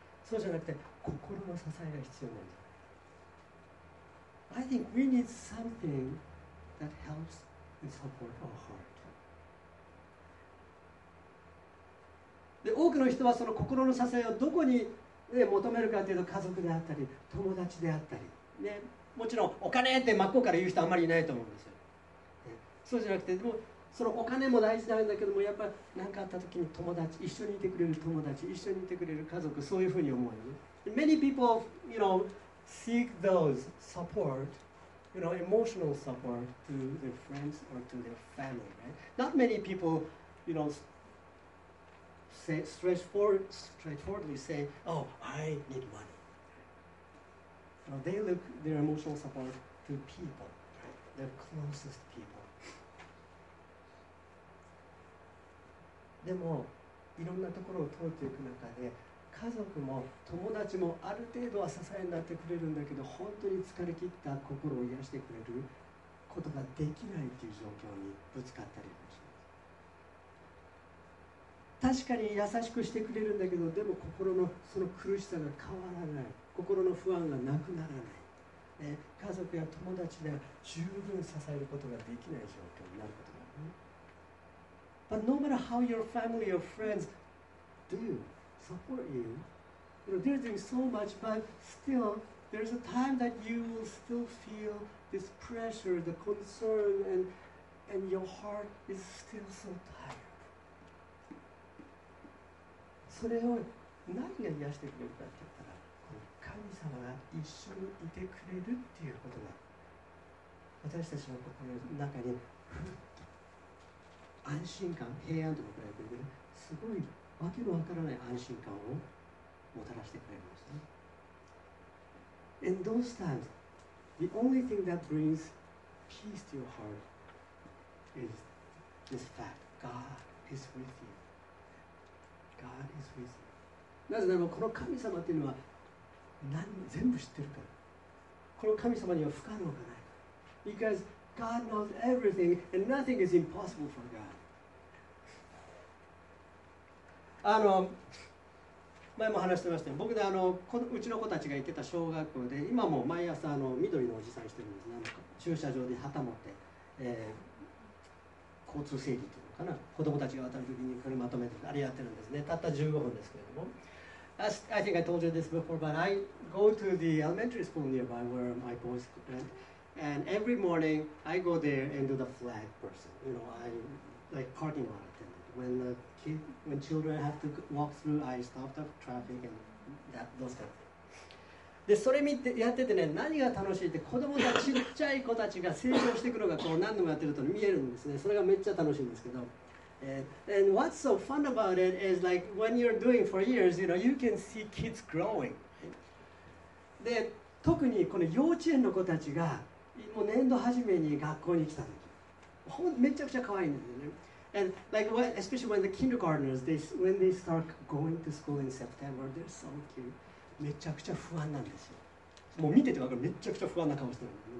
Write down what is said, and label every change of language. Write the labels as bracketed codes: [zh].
[ja] そうじゃなくて心の支えが必要なんです。 [en] I think we need something that helps and supports our heart. [ja] で、多くの人はその心の支えをどこに、ね、求めるかというと、家族であったり、友達であったり、ね、もちろんお金って真っ向から言う人はあまりいないと思うんですよ、ね、そうじゃなくて、でもそのお金も大事なんだけども、やっぱり何かあった時に友達、一緒にいてくれる友達、一緒にいてくれる家族、そういうふうに思うよね。 [en] Many people, you knowSeek those support, you know, emotional support to their friends or to their family, right? Not many people, you know, say straightforwardly say, oh, I need money. You know, they look their emotional support to people, right? Their closest people. [ja] でも、いろんなところを通っていく中で、家族も友達もある程度は支えになってくれるんだけど、本当に疲れ切った心を癒してくれることができないという状況にぶつかったりもします。確かに優しくしてくれるんだけど、でも心のその苦しさが変わらない、心の不安がなくならない、家族や友達で十分支えることができない状況になることがある、ね、 [en] But no matter how your family or friends doSupport you. You know, they're doing so much, but still, there's a time that you will still feel this pressure, the concern, and your heart is still so tired. [ja] それを何が癒してくれるかって言ったら、この神様が一緒にいてくれるっていうことが、私たちの心の中に安心感、平安とかくらいくれる、すごい。わけのわからない安心感をもたらしてくれますね。 [en] In those times, the only thing that brings peace to your heart is this fact: God is with you. God is with you. [ja] なぜならば、この神様というのは何全部知ってるから。この神様には不可能がない。 [en] Because God knows everything, and nothing is impossible for God. [ja] 前も話してましたよ。僕で、うちの子たちが行ってた小学校で、今も毎朝緑のおじさんしてるんですね。駐車場で旗持って、交通整理というのかな、子供たちが渡るときに車止めて、あれやってるんですね。たった15分ですけれども。 [en] I think I told you this before, but I go to the elementary school nearby where my boys went, and every morning I go there and do the flag person, you know, I like parking lot attendant. When children have to walk through, I stop the traffic and that, those kind of things. [ja] で、それ見てやっててね、何が楽しいって、子供たち、ちっちゃい子たちが成長していくのがこう何度もやってると見えるんですね。それがめっちゃ楽しいんですけど。 [en] And what's so fun about it is like when you're doing for years, you know, you can see kids growing. [ja] で、特にこの幼稚園の子たちが、もう年度初めに学校に来た時、めちゃくちゃ可愛いんですよね。 [en] And like, especially when the kindergartners, when they start going to school in September, they're so cute. [ja] めちゃくちゃ不安なんですよ。もう見ててわかる。めちゃくちゃ不安な顔してる。